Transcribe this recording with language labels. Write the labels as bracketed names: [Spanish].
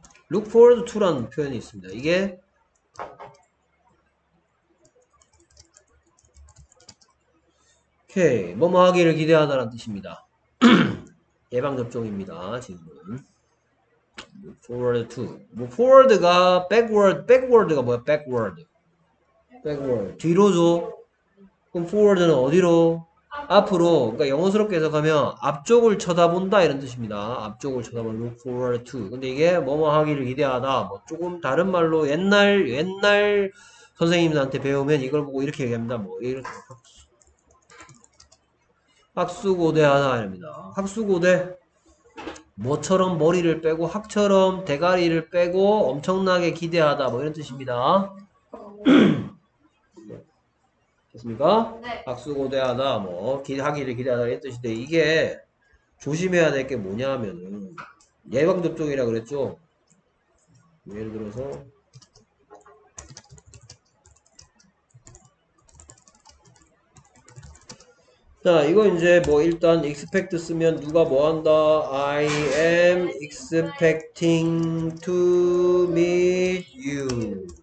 [English] Look forward to [Korean] 라는 표현이 있습니다. 이게 오케이, 뭐뭐 하기를 기대하다라는 뜻입니다. 예방접종입니다. 지금은 [English] Look forward to. [Korean] 뭐 forward가 backward, backward가 뭐야? [English] Backward. backward. [Korean] 뒤로죠. 그럼 forward는 어디로? 앞으로. 그러니까 영어스럽게 해석하면 앞쪽을 쳐다본다 이런 뜻입니다. 앞쪽을 쳐다보는 [English] look forward to. [Korean] 근데 이게 뭐뭐 하기를 기대하다. 뭐 조금 다른 말로 옛날 선생님들한테 배우면 이걸 보고 이렇게 얘기합니다. 뭐 이렇게 학수고대하다 이릅니다. 학수고대. 뭐처럼 머리를 빼고 학처럼 대가리를 빼고 엄청나게 기대하다 뭐 이런 뜻입니다. 됐습니까? 학수고대하다, 뭐, 하기를 기대하다 했듯이, 이게 조심해야 될게 뭐냐 하면은, 예방접종이라 그랬죠? 예를 들어서, 자, 이거 이제 뭐, 일단, expect 쓰면 누가 뭐 한다? [English] I am expecting to meet you.